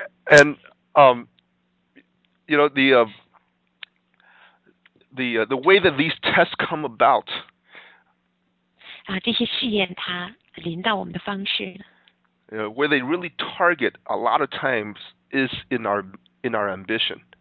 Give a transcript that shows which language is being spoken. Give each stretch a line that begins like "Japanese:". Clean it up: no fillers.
English: And you know the way that these tests come about
Chinese: 啊，这些试验它临到我们的方式呢，
English: Where they really target a lot of times is in our ambition.